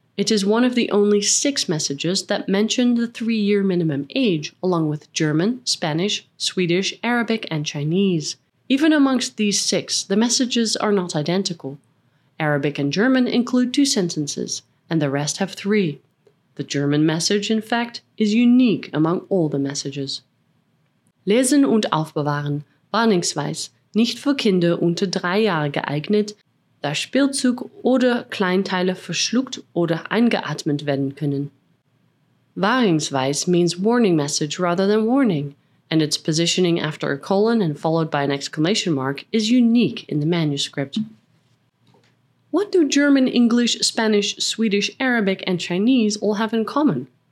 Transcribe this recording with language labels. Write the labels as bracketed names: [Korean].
[English] It is one of the only six messages that mentioned the three-year minimum age, along with German, Spanish, Swedish, Arabic, and Chinese. Even amongst these six, the messages are not identical. Arabic and German include two sentences, and the rest have three. The German message, in fact, is unique among all the messages. [German] Lesen und aufbewahren. Warnungsweis. Nicht für Kinder unter 3 Jahre geeignet, da Spielzeug oder Kleinteile verschluckt oder eingeatmet werden können. [English] Warnungsweis means warning message rather than warning, and its positioning after a colon and followed by an exclamation mark is unique in the manuscript. What do German, English, Spanish, Swedish, Arabic, and Chinese all have in common?